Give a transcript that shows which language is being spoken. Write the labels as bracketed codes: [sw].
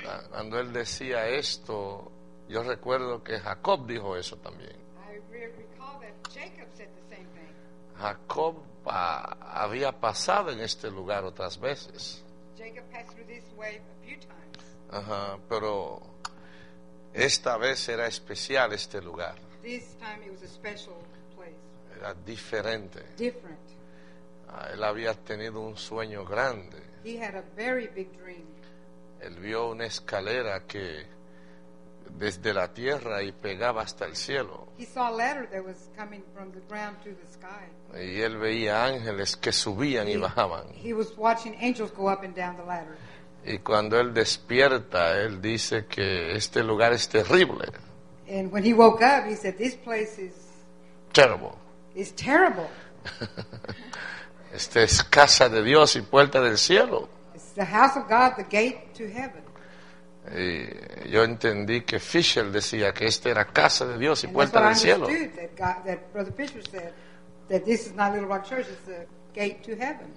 [es] Cuando él decía esto, yo recuerdo que Jacob dijo eso también. [en] I recall that Jacob said the same thing. [es] Jacob había pasado en este lugar otras veces. [en] Jacob passed through this way a few times. [es] Pero esta vez era especial este lugar. [en] This time it was a special place. [es] Era diferente. [en] Different. [es] Él había tenido un sueño grande. [en] He had a very big dream. [es] Él vio una escalera que desde la tierra y pegaba hasta el cielo. [en] He saw a ladder that was coming from the ground to the sky. [es] Y él veía ángeles que subían y bajaban. [en] He was watching angels go up and down the ladder. [es] Y cuando él despierta, él dice que este lugar es terrible. [en] And when he woke up, he said, this place is terrible. It's terrible. [es] Este es casa de Dios y puerta del cielo. [en] It's the house of God, the gate to heaven. [es] Y yo entendí que Fisher decía que esta era casa de Dios y [en] and [es] puerta del cielo. [en] That, God, that Brother Fisher said that this is not Little Rock Church, it's the gate to heaven.